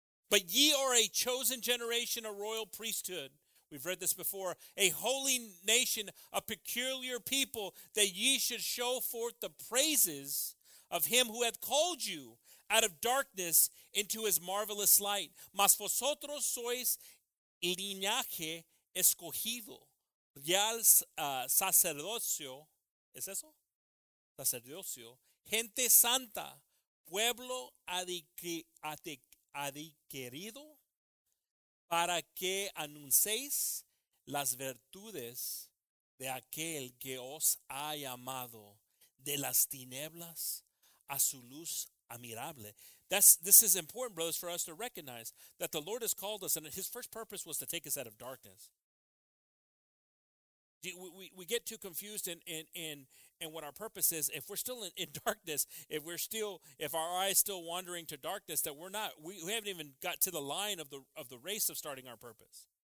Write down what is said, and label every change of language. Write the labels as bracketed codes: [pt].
[en] But ye are a chosen generation, a royal priesthood. We've read this before. A holy nation, a peculiar people, that ye should show forth the praises of him who hath called you out of darkness into his marvelous light. [es] Mas vosotros sois linaje escogido, real sacerdocio, ¿es eso? Sacerdocio, gente santa, pueblo adquirido, para que anunciéis las virtudes de aquel que os ha llamado de las tinieblas a su luz admirable. [en] This is important, brothers, for us to recognize that the Lord has called us, and his first purpose was to take us out of darkness. We get too confused in what our purpose is. If we're still in darkness, if our eye is still wandering to darkness, that we haven't even got to the line of the race of starting our purpose.